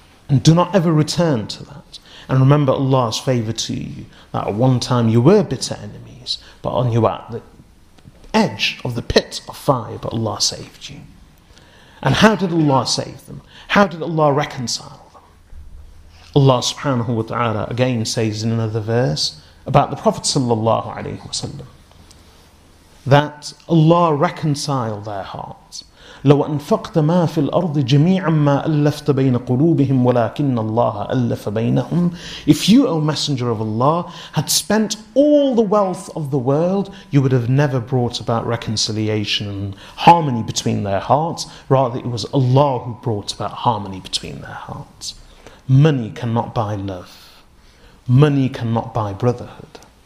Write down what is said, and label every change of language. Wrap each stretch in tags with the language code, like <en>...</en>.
<en>And do not ever return to that. And remember Allah's favour to you, that at one time you were bitter enemies, but you were at the edge of the pit of fire, but Allah saved you. And how did Allah save them? How did Allah reconcile them? Allah subhanahu wa ta'ala again says in another verse about the Prophet sallallahu alayhi wasallam that Allah reconciled their hearts.</en> <ar>لو أنفقت ما في الأرض جميعا ما ألفت بين قلوبهم ولكن الله ألف بينهم.</ar> <en>If you, O Messenger of Allah, had spent all the wealth of the world, you would have never brought about reconciliation and harmony between their hearts. Rather, it was Allah who brought about harmony between their hearts. Money cannot buy love. Money cannot buy brotherhood.</en>